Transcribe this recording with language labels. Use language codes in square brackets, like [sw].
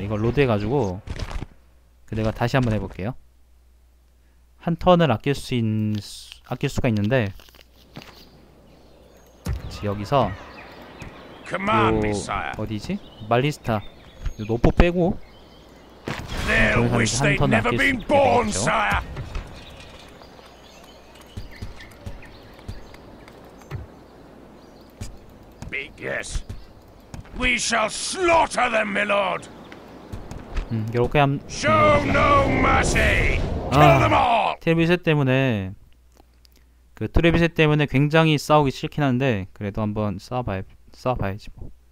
[ko] 이거 로드해가지고 내가 다시 한번 해볼게요. 한 턴을 아낄 수가 있는데 그치, 여기서 요 어디지? 말리스타 요 노포 빼고 [en] They'll wish they'd never been born, sire. Big yes. We shall slaughter them, my lord. [ko] 이렇게 함. [en] Show no mercy. Kill them all. [ko] 트레비셋 때문에 그 트레비셋 때문에 굉장히 싸우기 싫긴 한데 그래도 한번 싸워봐야지 뭐.